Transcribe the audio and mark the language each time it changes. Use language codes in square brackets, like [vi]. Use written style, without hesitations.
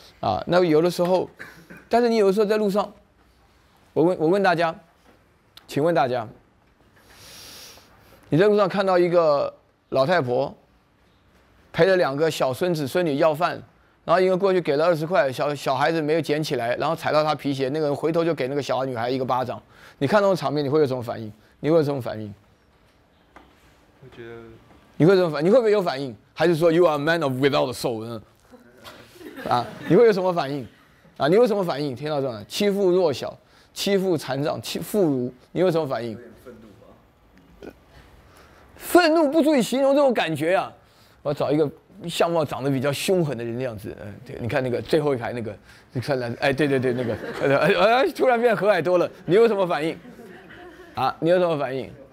[zh] 啊，那有的时候，但是你有的时候在路上，我问大家，请问大家，你在路上看到一个老太婆，陪着两个小孙子孙女要饭。然后因为过去给了20块，小孩子没有捡起来，然后踩到他皮鞋，那个人回头就给那个小女孩一个巴掌。你看那种场面，你会有什么反应？你会有什么反应？我觉得你会有什么反应？你会不会有反应？还是说 [en] you are a man of without a soul？ [zh] 啊，你会有什么反应？啊，你有什么反应？听到这样，欺负弱小，欺负残障，欺负妇孺，你有什么反应？愤怒不足以形容这种感觉啊！我找一个相貌长得比较凶狠的人的样子，对，你看那个最后一排那个，你看来，哎，对对对，那个，哎，突然变和蔼多了，你有什么反应？啊，你有什么反应？